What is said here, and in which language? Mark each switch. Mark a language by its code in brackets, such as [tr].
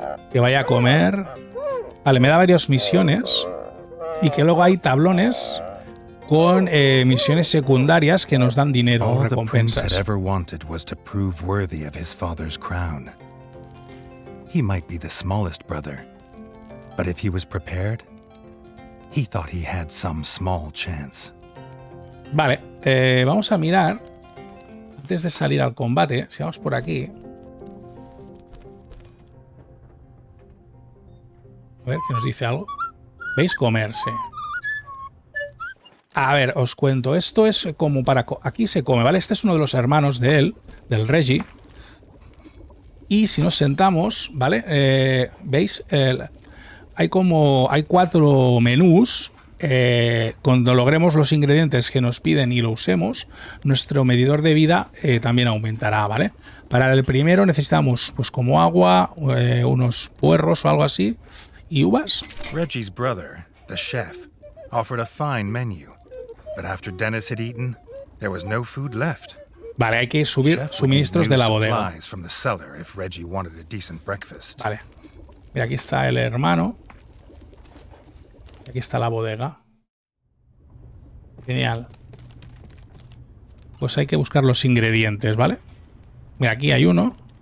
[es] Que vaya a comer. Vale, me da varias misiones y que luego hay tablones con misiones secundarias que nos dan dinero o recompensas. [en] Ever wanted was to prove worthy of his father's crown. He might be the smallest brother, but if he was prepared, he thought he had some small chance. [es] Vale, vamos a mirar antes de salir al combate, si vamos por aquí. A ver, que nos dice algo. ¿Veis? Comerse. A ver, os cuento. Esto es como para... aquí se come, ¿vale? Este es uno de los hermanos de él, del Reggie. Y si nos sentamos, ¿vale? ¿Veis? Hay como... hay cuatro menús. Cuando logremos los ingredientes que nos piden y lo usemos, nuestro medidor de vida también aumentará, ¿vale? Para el primero necesitamos, pues, como agua, unos puerros o algo así. ¿Y uvas? [en] Reggie's brother, the chef, offered a fine menu, but after Dennis had eaten, there was no food left. [es] Vale, hay que subir suministros de la bodega. [en] From the cellar if Reggie wanted a decent breakfast. [es] Vale. Mira, aquí está el hermano. Aquí está la bodega. Genial. Pues hay que buscar los ingredientes, ¿vale? Mira, aquí hay uno.